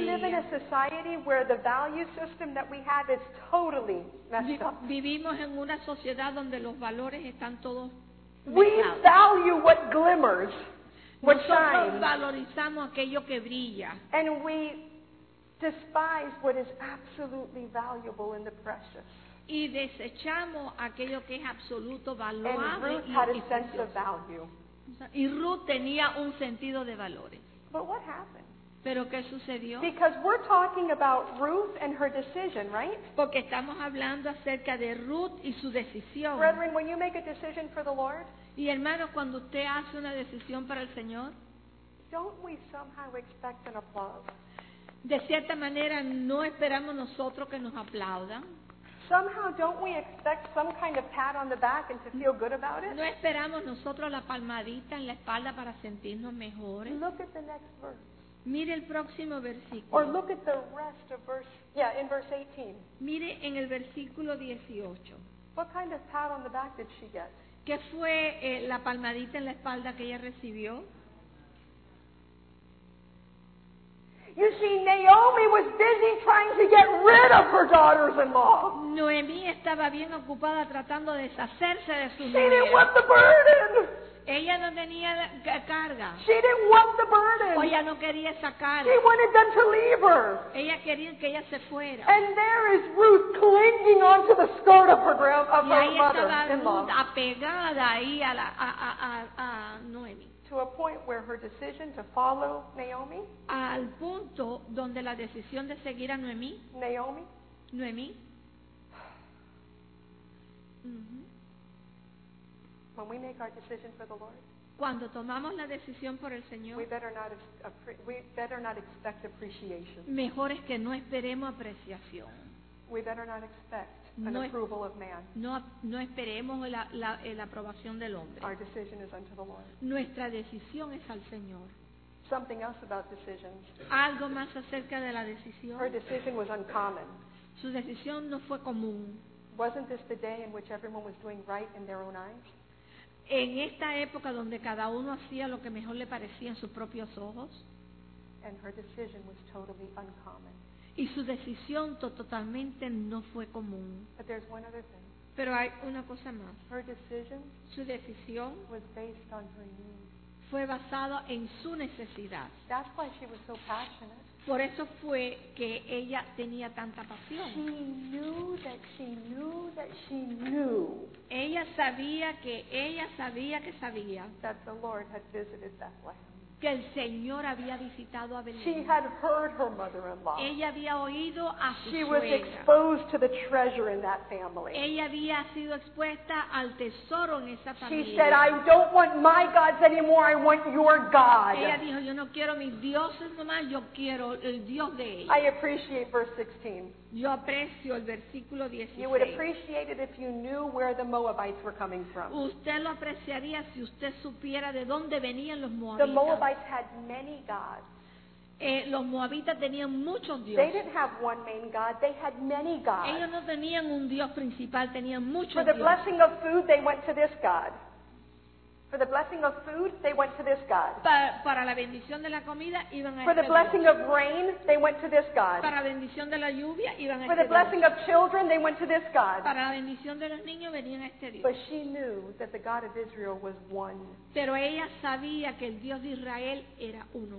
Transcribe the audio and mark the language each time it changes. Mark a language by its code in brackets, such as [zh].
[en] live in a society where the value system that we have is totally messed up. [es] Vivimos en una sociedad donde los valores están todos mezclados. [en] We value what glimmers, what shines. [es] Nosotros valorizamos aquello que brilla. [en] And we despise what is absolutely valuable and the precious. [es] Y desechamos aquello que es absoluto, [en] valuable [es] y precioso. Y Ruth tenía un sentido de valores. [en] But what happened? [es] ¿Pero qué sucedió? [en] Because we're talking about Ruth and her decision, right? [es] Porque estamos hablando acerca de Ruth y su decisión. [en] Brethren, when you make a decision for the Lord, [es] y hermanos, cuando usted hace una decisión para el Señor, [en] don't we somehow expect an applause? [es] De cierta manera, no esperamos nosotros que nos aplaudan. [en] Somehow, don't we expect some kind of pat on the back and to feel good about it? [es] No esperamos nosotros la palmadita en la espalda para sentirnos mejores. [en] Look at the next verse. [es] Mire el próximo versículo. [en] Or look at the rest of in verse 18. [es] Mire en el versículo 18. [en] What kind of pat on the back did she get? [es] ¿Qué fue la palmadita en la espalda que ella recibió? [en] You see, Naomi was busy trying to get rid of her daughters-in-law. [es] Noemí estaba bien ocupada tratando de deshacerse de sus mujeres. [en] She didn't want the burden. [es] Ella no tenía carga. [en] She didn't want the burden. [es] Ella no quería esa carga. [en] She wanted them to leave her. [es] Ella quería que ella se fuera. [en] And there is Ruth clinging onto the skirt of her mother-in-law. [es] Apegada ahí a la a Noemí. [en] To a point where her decision to follow Naomi. [es] Al punto donde la decisión de seguir a Noemí. [en] Naomi. [es] Noemí. [en] When we make our decision for the Lord. [es] Cuando tomamos la decisión por el Señor. [en] We better not expect appreciation. [es] Mejor es que no esperemos apreciación. [en] We better not expect. An approval of man. [es] No esperemos la aprobación del hombre. [en] Our decision is unto the Lord. [es] Nuestra decisión es al Señor. [en] Something else about decisions. [es] Algo más acerca de la decisión. [en] Her decision was uncommon. [es] Su decisión no fue común. [en] Wasn't this the day in which everyone was doing right in their own eyes? [es] En esta época donde cada uno hacía lo que mejor le parecía en sus propios ojos. [en] And her decision was totally uncommon. [es] Y su decisión totalmente no fue común. [en] But there's one other thing. [es] Pero hay una cosa más. [en] Her decision, [es] su decisión, [en] was based on her need. [es] Fue basada en su necesidad. [en] That's why she was so passionate. [es] Por eso fue que ella tenía tanta pasión. [en] She knew that she knew that she knew. [es] Ella sabía que sabía [en] that the Lord had visited Bethlehem. [es] que el Señor había visitado a Belén. [en] She had heard her mother-in-law. [es] Ella había oído a su suegra. [en] She was exposed to the treasure in that family. [es] Ella había sido expuesta al tesoro en esa familia. [en] She said, I don't want my gods anymore, I want your God. [es] Ella dijo, yo no quiero mis dioses nomás, yo quiero el Dios de ellos. [en] I appreciate verse 16. [es] Yo aprecio el versículo 16. [en] You would appreciate it if you knew where the Moabites were coming from. [es] Usted lo apreciaría si usted supiera de dónde venían los Moabitas. [en] The Moabites had many gods. [es] Los Moabitas tenían muchos dioses. [en] They didn't have one main god, they had many gods. [es] Ellos no tenían un dios principal, tenían muchos dioses. [en] For the blessing of food, they went to this god. For the blessing of food, they went to this god. [es] Para la bendición de la comida iban a este [en] For the blessing [es] dios. [en] Of rain, they went to this god. [es] Para la bendición de la lluvia iban a [en] For [es] este dios. [en] Blessing of children, they went to this god. [es] Para la bendición de los niños venían a este dios. [en] But she knew that the God of Israel was one. [es] Pero ella sabía que el Dios de Israel era uno.